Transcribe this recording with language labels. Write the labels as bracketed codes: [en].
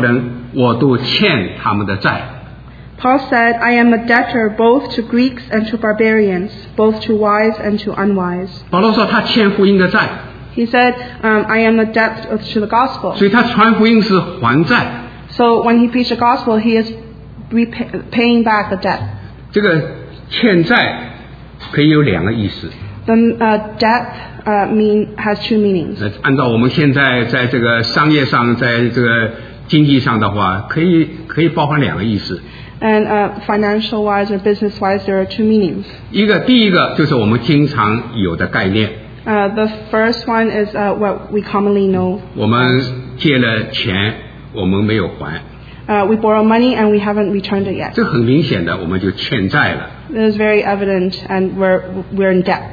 [zh] 保罗说，他说，无论是希腊人、外邦人、化外人、聪明人、愚拙人，我都欠他们的债。 [en] Paul said, I am a debtor both to Greeks and to barbarians, both to wise and to unwise. [zh] 保罗说他欠福音的债。 [en] He said, I am a debtor to the gospel. [zh] 所以他传福音是还债。 [en] So when he preached the gospel, he is paying back the debt. [zh] 这个欠债可以有两个意思。 [en] Then debt has two meanings. [zh] 按照我们现在在这个商业上，在这个经济上的话，可以包含两个意思。 [en] And financial wise or business wise, there are two meanings. [zh] 第一个就是我们经常有的概念。 [en] The first one is what we commonly know. [zh] 我们借了钱，我们没有还。 [en] We borrow money and we haven't returned it yet. [zh] 这很明显的，我们就欠债了。 [en] It is very evident, and we're in debt.